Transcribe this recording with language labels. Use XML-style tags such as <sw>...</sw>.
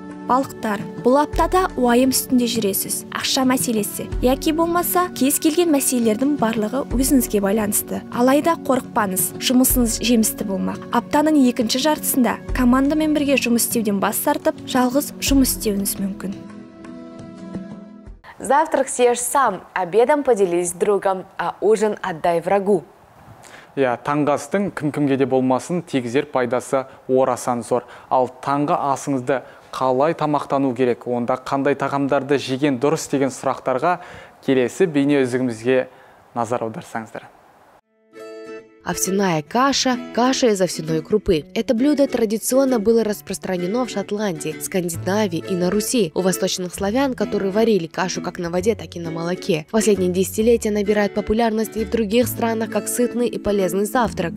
<kk>Балықтар. Бұл аптада уайым үстінде жүресіз. Ақша мәселесі. Яки болмаса, кез келген мәселелердің барлығы өзіңізге байланысты. Алайда қорықпаңыз, жұмысыңыз жемісті болмақ. Аптаның екінші жартысында командамен бірге жұмыс істеуден бас тартып, жалғыз жұмыс істеуіңіз мүмкін.</kk> <ru>Завтрак съешь сам, обедом поделись другом, а ужин отдай врагу.</ru> <kk>Иә, таңғы астың кім-кімге де болмасын тигізер пайдасы орасан зор. Ал таңғы асыңызды қалай тамақтану керек, онда қандай тағамдарды жеген дұрыс деген сұрақтарға келесі бейне өзігімізге назар аударсаңыздар.</kk> <ru>Овсяная каша – каша из овсяной крупы. Это блюдо традиционно было распространено в Шотландии, Скандинавии и на Руси, у восточных славян, которые варили кашу как на воде, так и на молоке. В последние десятилетия набирает популярность и в других странах как сытный и полезный завтрак.</ru>